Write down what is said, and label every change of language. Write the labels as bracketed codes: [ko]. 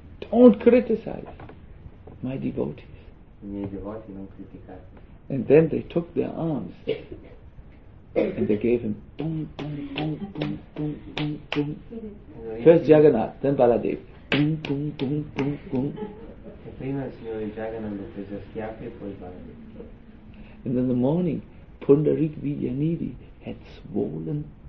[en] Don't criticize my devotees. [it] I miei devoti non criticare. [en] And then they took their arms and they gave him boom, boom, boom, boom, boom, boom, boom. First Jagannath, then Baladev. Boom, boom, boom, boom, boom. [it] E prima il signore Jagannath lo prese a schiaffi e poi Baladev. [en] And in the morning, Pundarik Vidyanidhi had swollen.